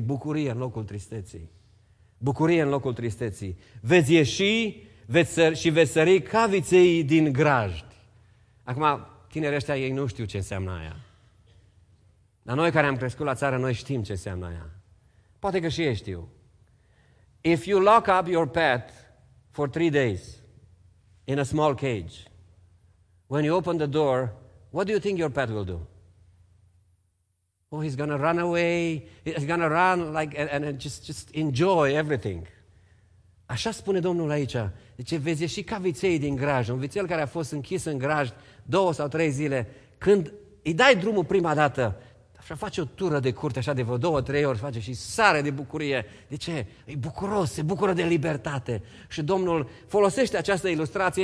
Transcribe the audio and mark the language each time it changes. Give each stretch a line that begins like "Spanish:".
Romanian: Bucurie în locul tristeții. Bucurie în locul tristeții. Veți ieși și veți sări ca viței din grajdi. Acum, tinerii ăștia, ei nu știu ce înseamnă aia. Dar noi care am crescut la țară, noi știm ce înseamnă aia. Poate că și ei știu.
English: If you lock up your pet for 3 days in a small cage, when you open the door, what do you think your pet will do? Oh, he's going to run away. He's going to run like and just enjoy everything.
Romanian: Așa spune Domnul aici. Zice, vezi ieși ca viței din grajd. Un vițel care a fost închis în grajd 2 sau 3 zile. Când îi dai drumul prima dată, așa face o tură de curte, așa de vreo 2-3 ori face și sare de bucurie. De ce? E bucuros, se bucură de libertate. Și Domnul folosește această ilustrație.